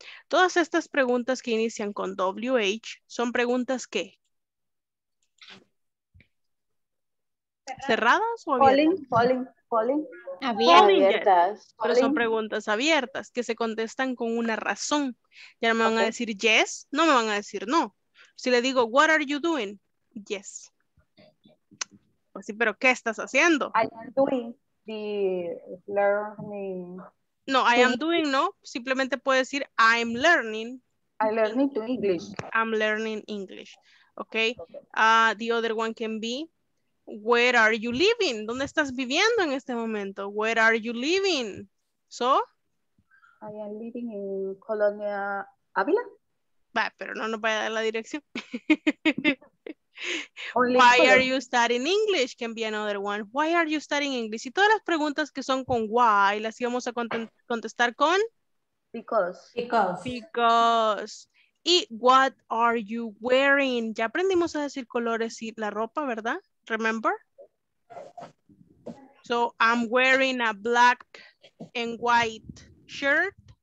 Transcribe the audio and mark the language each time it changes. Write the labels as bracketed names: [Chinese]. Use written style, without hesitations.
[Spanish] Todas estas preguntas que inician con WH son preguntas que cerradas o abiertas. Abiertas. Pero son preguntas abiertas que se contestan con una razón. Ya no me van a decir yes, no me van a decir no. Si le digo [English] what are you doing, yes. [Spanish] Pues sí, pero ¿qué estás haciendo? [English] I am doing the learning. No, I am doing, no. [Spanish] Simplemente puede decir, [English] I'm learning. I'm learning to English. I'm learning English. Okay. The other one can be, where are you living? [Spanish] ¿Dónde estás viviendo en este momento? [English] Where are you living? So? I am living in Colonia Ávila. [Spanish] Va, pero no nos vaya a dar la dirección. [English] Why are you studying English? Can be another one. Why are you studying English? [Spanish] Y todas las preguntas que son con why las íbamos a contestar con [English] because. Y what are you wearing? [Spanish] Ya aprendimos a decir colores y la ropa, ¿verdad? [English] Remember? So I'm wearing a black and white shirt.